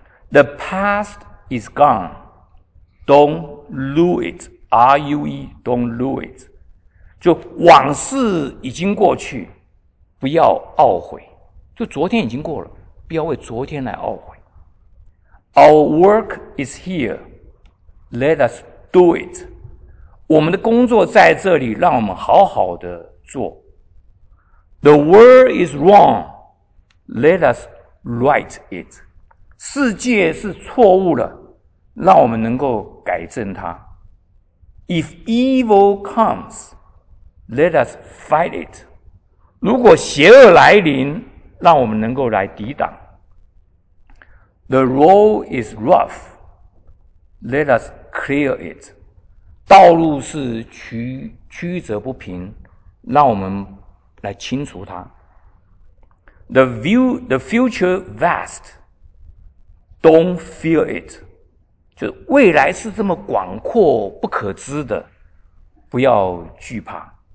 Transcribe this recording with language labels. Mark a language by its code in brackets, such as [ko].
[en] The past is gone, don't lose itRUE, don't lose it. [zh] 就往事已经过去，不要懊悔。就昨天已经过了，不要为昨天来懊悔。 [en] Our work is here, let us do it. [zh] 我们的工作在这里，让我们好好的做。 [en] The world is wrong, let us right it. [zh] 世界是错误了，让我们能够改正它。 [en] If evil comes, let us fight it. [zh] 如果邪恶来临，让我们能够来抵挡。 [en] The road is rough, let us clear it. [zh] 道路是曲折不平，让我们来清除它。 [en] The future vast, don't fear it. [zh] 就未来是这么广阔不可知的，不要惧怕。